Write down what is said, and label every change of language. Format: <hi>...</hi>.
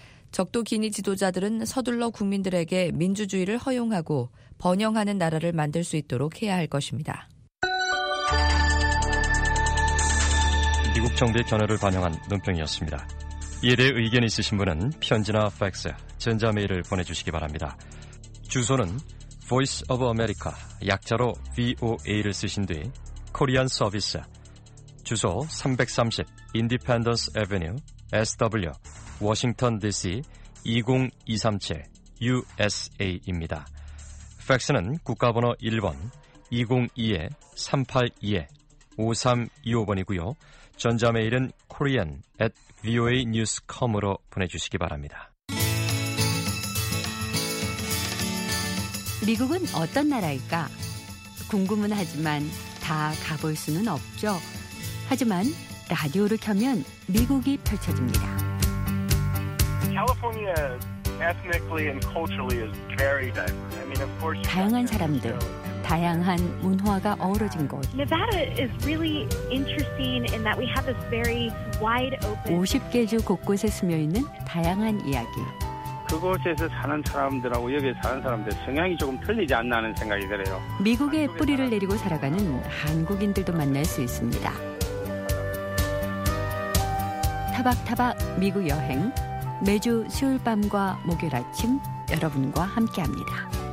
<ko>적도 기니 지도자들은 서둘러 국민들에게 민주주의를 허용하고 번영하는 나라를 만들 수 있도록 해야 할 것입니다. 미국 정부의 견해를 반영한 논평이었습니다. 이에 대해 의견이 있으신 분은 편지나 팩스, 전자메일을 보내주시기 바랍니다. 주소는 Voice of America, 약자로 VOA를 쓰신 뒤 Korean Service, 주소 330 Independence Avenue, SW, Washington DC 20237, USA입니다. 팩스는 국가번호 1번 202-382-5325번이고요. 전자메일은 korean@voanews.com으로 보내주시기 바랍니다. 미국은 어떤 나라일까? 궁금은 하지만 다 가볼 수는 없죠. 하지만 라디오를 켜면 미국이 펼쳐집니다.</ko> <en>California ethnically and culturally is very diverse. I mean, of course,</en> <ko>다양한 사람들, 다양한 문화가 어우러진 곳.</ko> <en>Nevada is really interesting in that we have this very wide open.</en> <ko>50개 주 곳곳에 스며 있는 다양한 이야기. 그곳에서 사는 사람들하고 여기에 사는 사람들 성향이 조금 틀리지 않나 하는 생각이 들어요. 미국의 뿌리를 내리고 살아가는 한국인들도 만날 수 있습니다. 타박타박 미국 여행, 매주 수요일 밤과 목요일 아침 여러분과 함께합니다.</ko>